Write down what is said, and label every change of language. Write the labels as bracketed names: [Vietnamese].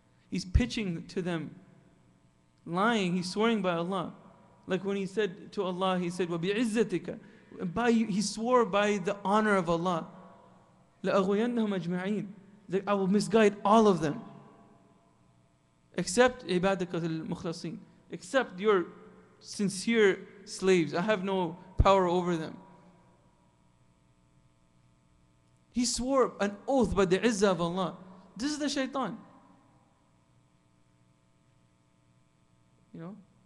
[English] He's pitching to them, lying, he's swearing by Allah. Like when he said to Allah, he said, Wa bi'izzatika. By you, he swore by the honor of Allah. [Arabic] لَأَغْوَيَنَّهُمْ أَجْمَعِينَ. [English] That I will misguide all of them. Except [Arabic] عِبَادَكَ الْمُخْلَصِينَ. [English] Except your sincere slaves. I have no power over them. He swore an oath by the izzah of Allah. This is the shaitan. You know?